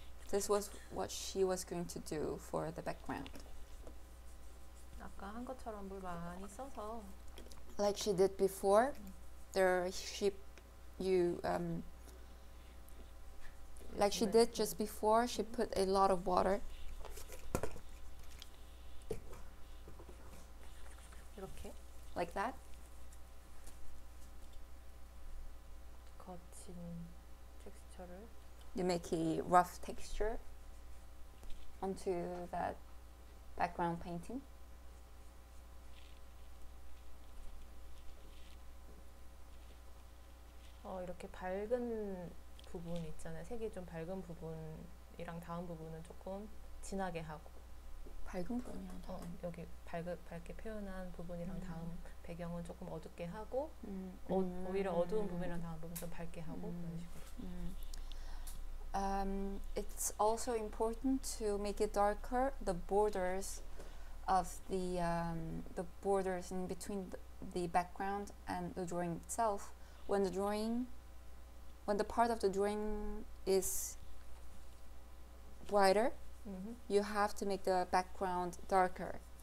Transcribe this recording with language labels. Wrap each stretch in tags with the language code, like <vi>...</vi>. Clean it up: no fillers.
<en>This was what she was going to do for the background.</en> <ko>아까 한 것처럼 물 많이 써서</ko> <en>like she did before there she you like she did just before she put a lot of water</en> <ko>이렇게</ko> <en>like that</en> <ko>거친 텍스처를</ko> <en>you make a rough texture onto that background painting.</en> <ko>Oh, 이렇게 밝은 부분 있잖아요. 색이 좀 밝은 부분이랑 다음 부분은 조금 진하게 하고. 밝은 부분이랑 다음. 여기 밝게 표현한 부분이랑 다음 배경은 조금 어둡게 하고. 오히려 어두운 부분이랑 다음 부분 좀 밝게 하고 그런 식으로.</ko> <en>It's also important to make it darker the borders of the borders in between the background and the drawing itself. When the part of the drawing is brighter, you have to make the background darker.</en>